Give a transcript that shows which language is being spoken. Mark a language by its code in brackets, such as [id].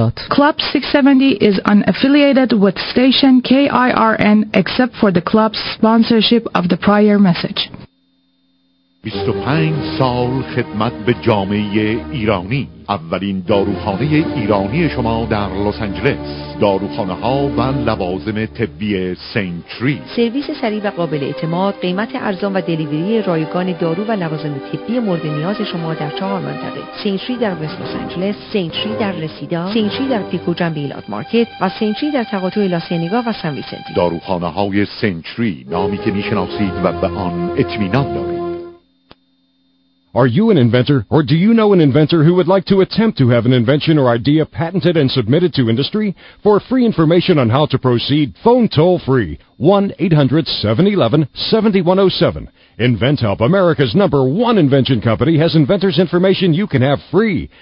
[en] Club 670 is unaffiliated with station KIRN except for the club's sponsorship of the prior message. [fa] 25 سال خدمت به جامعه ایرانی. اولین داروخانه ایرانی شما در لس آنجلس. داروخانه ها و لوازم طبی سنتری. سرویس سریع و قابل اعتماد، قیمت ارزان و دلیوری رایگان دارو و لوازم طبی مورد نیاز شما در 4 منطقه. سنتری در وست لس آنجلس، سنتری در رسیدا، سنتری در پیکو جنب ایلات مارکت و سنتری در تقاطع لاسینگا و سان ویسنتی. داروخانه های سنتری، نامی که میشناسید و به آن اطمینان دارید. [en] Are you an inventor, or do you know an inventor who would like to attempt to have an invention or idea patented and submitted to industry? For free information on how to proceed, phone toll-free 1-800-711-7107. InventHelp, America's number one invention company, has inventors information you can have free.